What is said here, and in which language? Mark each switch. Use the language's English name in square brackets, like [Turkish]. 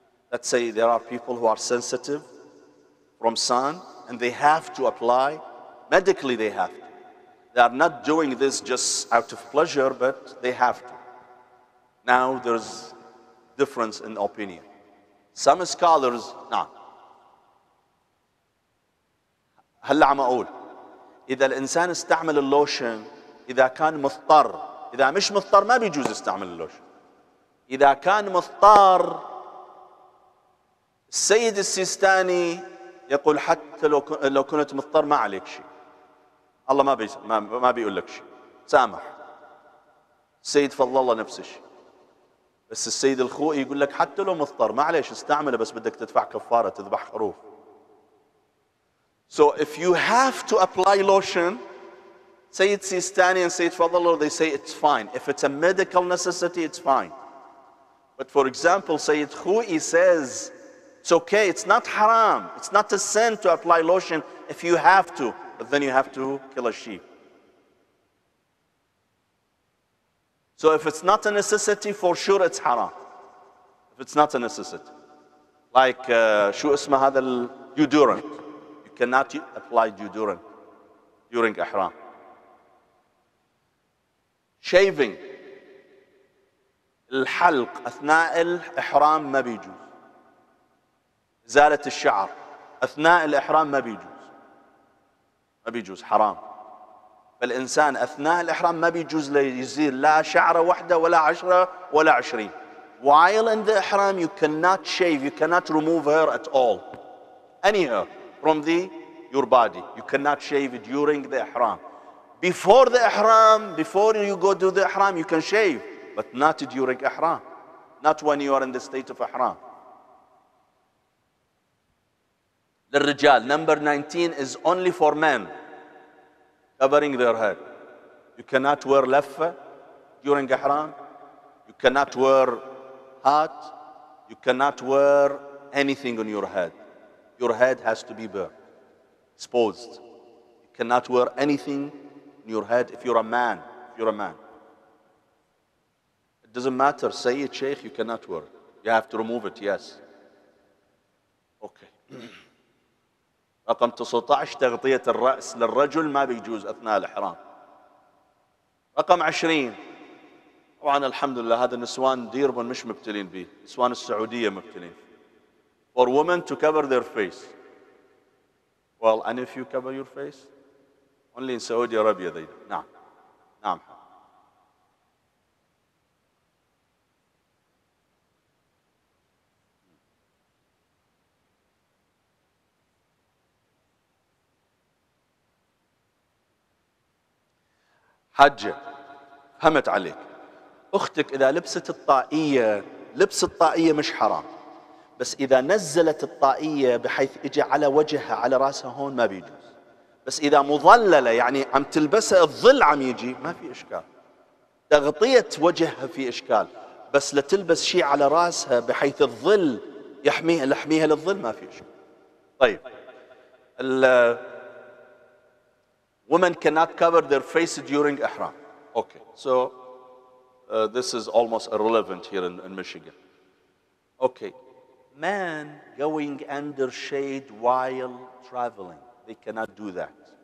[English] Let's say there are people who are sensitive from sun, and they have to apply. Medically, they have to. They are not doing this just out of pleasure, but they have to. Now there's difference in opinion. Some scholars, [Arabic] نعم. هلا عم أقول إذا الإنسان استعمل اللوشن إذا كان مضطر، إذا مش مضطر ما بيجوز استعمل اللوشن. إذا كان مضطر السيد السيستاني يقول حتى لو كنت مضطر ما عليك شيء. الله ما بيقول لك شيء. سامح. السيد فضل الله نفس الشيء. بس السيد الخوئي يقول لك حتى لو مضطر معليش استعمله بس بدك تدفع كفارة تذبح خروف. [English] So if you have to apply lotion, سيد سيستاني and سيد فضل الله, they say it's fine. If it's a medical necessity, it's fine. But for example, سيد خوئي says, it's okay, it's not haram. It's not a sin to apply lotion if you have to, but then you have to kill a sheep. So if it's not a necessity, for sure it's haram. If it's not a necessity. [Arabic] Like, شو اسمه هذا deodorant. [English] You cannot apply deodorant during ihram. Shaving. [Arabic] الحلق أثناء الإحرام ما بيجوز. إزالة الشعر أثناء الإحرام ما بيجوز. ما بيجوز حرام. فالإنسان أثناء الإحرام ما بيجوز ليزيل لا شعرة واحدة ولا عشرة ولا عشرين. [English] While in the ihram you cannot shave, you cannot remove hair at all. Any hair from the your body. You cannot shave it during the ihram. Before the ihram, before you go to the ihram, you can shave. But not during ihram. Not when you are in the state of ihram. [Arabic] للرجال, [English] number 19 is only for men. Covering their head. You cannot wear lafa during ihram. You cannot wear hat. You cannot wear anything on your head. Your head has to be bare, exposed. You cannot wear anything on your head if you're a man. If you're a man. It doesn't matter. Say it, Sheikh, you cannot wear. You have to remove it, yes. Okay. [Arabic] رقم 19 تغطية الرأس للرجل ما بيجوز أثناء الإحرام. رقم 20 طبعا الحمد لله هذا النسوان ديربن مش مبتلين به, نسوان السعودية مبتلين. [English] For women to cover their face. Well, and if you cover your face? Only in Saudi Arabia they do. [Arabic] نعم. نعم. حجة فهمت عليك أختك إذا لبست الطائية لبس الطائية مش حرام بس إذا نزلت الطائية بحيث إجي على وجهها على رأسها هون ما بيجوز بس إذا مظللة يعني عم تلبسها الظل عم يجي ما في إشكال تغطية وجهها في إشكال بس لتلبس شيء على رأسها بحيث الظل يحميها لحميها للظل ما في إشكال طيب [English] Women cannot cover their face during ihram. Okay, so this is almost irrelevant here in Michigan. Okay, men going under shade while traveling, they cannot do that.